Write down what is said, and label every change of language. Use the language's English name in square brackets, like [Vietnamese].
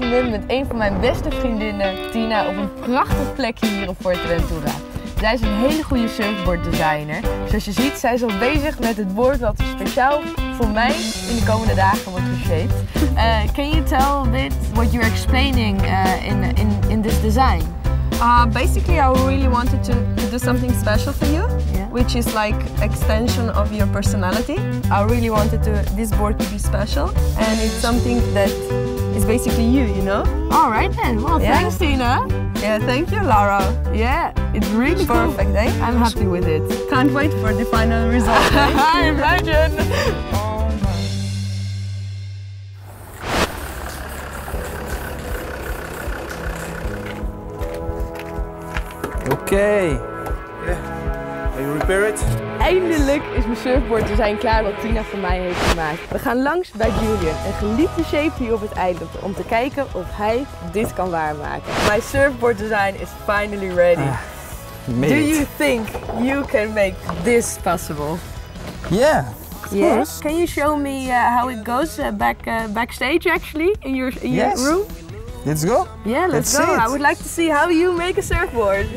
[Dutch] Met een van mijn beste vriendinnen, Tina, op een prachtig plekje hier op Fuerteventura. Zij is een hele goede surfboard designer. Zoals je ziet, zij is al bezig met het board wat speciaal voor mij in de komende dagen wordt geshaped. [English] Can you tell a bit what you're explaining in this design? Basically, I really wanted to do something special for you, yeah. Which is like extension of your personality. I really wanted this board to be special, and it's something that is basically you, you know? All right then. Well, yeah. Thanks, Tina. Yeah, thank you, Laura. Yeah, it's really perfect, cool. I'm happy with it. Can't wait for the final result. I imagine. Oké. Can you repair it? [Dutch] Eindelijk is mijn surfboard design klaar wat Tina voor mij heeft gemaakt. We gaan langs bij Julian, een geliefde shape hier op het eiland, om te kijken of hij dit kan waarmaken. [English] My surfboard design is finally ready. Do you think you can make this possible? Yeah. Yes. Yeah. Can you show me how it goes backstage actually in your room? Let's go. Yeah, let's go. I would like to see how you make a surfboard.